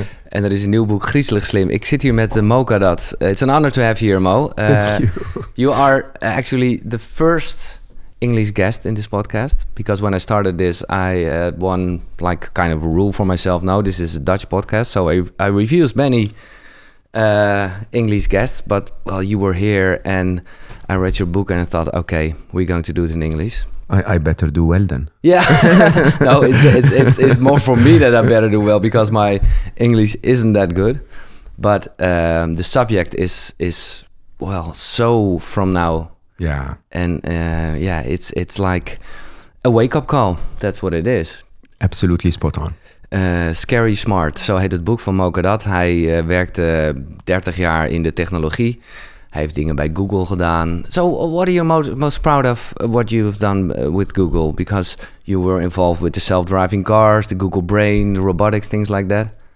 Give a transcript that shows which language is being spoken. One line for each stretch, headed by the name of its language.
Dutch: En er is een nieuw boek, Griezelig Slim. Ik zit hier met Mo Gawdat.
English: It's an honor to have you here, Mo. Thank you. You are actually the first English guest in this podcast. Because when I started this, I had one like kind of rule for myself. No, this is a Dutch podcast. So I refused many English guests. But well, you were here and I read your book and I thought, okay, we're going to do it in English. I better do well then. Yeah. No, it's more for me that I better do well because my English isn't that good. But the subject is well, so from now. Yeah. And yeah, it's like a wake-up call. That's what it is. Absolutely spot on.
Dutch: Scary Smart, zo heet het boek van Mo Gawdat. Hij werkte 30 jaar in de technologie. Hij heeft dingen bij Google gedaan.
English: So what are you most proud of what you've done with Google? Because you were involved with the self-driving cars, the Google Brain, the robotics, things like that.